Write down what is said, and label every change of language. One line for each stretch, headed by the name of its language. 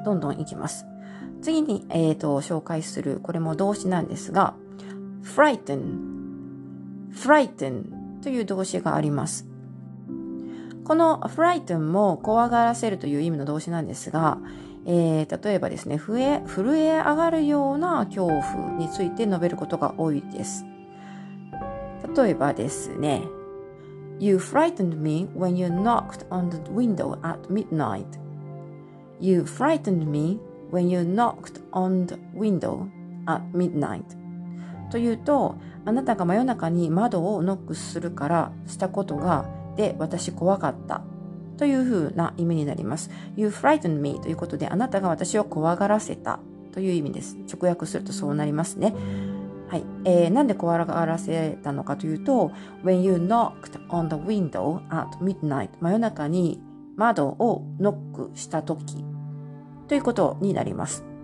Japanese: どんどん行きます。次に、紹介する、これも動詞なんですが、 frighten という動詞があります。この frighten も怖がらせるという意味の動詞なんですが、例えばですね、震え上がるような恐怖について述べることが多いです。例えばですね、
English: You frightened me when you knocked on the window at midnight. You frightened me when you knocked on the window at midnight.
Japanese: というと、あなたが真夜中に窓をノックするからしたことがで、私怖かったというふうな意味になります。
English: You frightened me
Japanese: ということで、あなたが私を怖がらせたという意味です。直訳するとそうなりますね。はい、なんで怖がらせたのかというと、
English: When you knocked on the window at midnight、
Japanese: 真夜中に窓をノックした時ということになります。